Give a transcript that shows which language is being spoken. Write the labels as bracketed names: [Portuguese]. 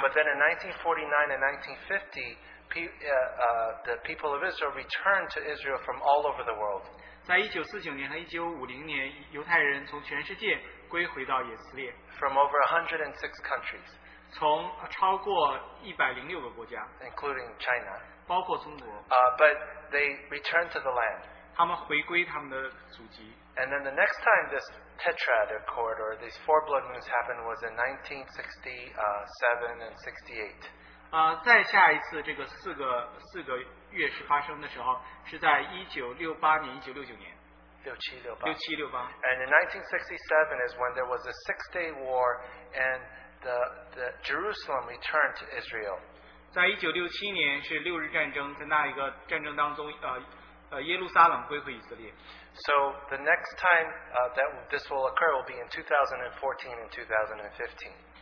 [English] But then in 1949 and 1950, the people of Israel returned to Israel from all over the world. [Chinese] 在1949年和1950年，犹太人从全世界归回到以色列。 [English] From over 106 countries. [Chinese] 从超过106个国家。 [English] Including China. [Chinese] 包括中国。 [English] But they returned to the land. [Chinese] 他们回归他们的祖籍。 [English] And then the next time this tetrad accord or these four blood moons happened was in 1967 and 68. [Chinese] 再下一次这个四个月食发生的时候是在1968年、1969年。六七六八。 [English] And in 1967 is when there was a six-day war and the Jerusalem returned to Israel. [Chinese] 在1967年是六日战争，在那一个战争当中，耶路撒冷归回以色列。 [English] So the next time that this will occur will be in 2014 and 2015.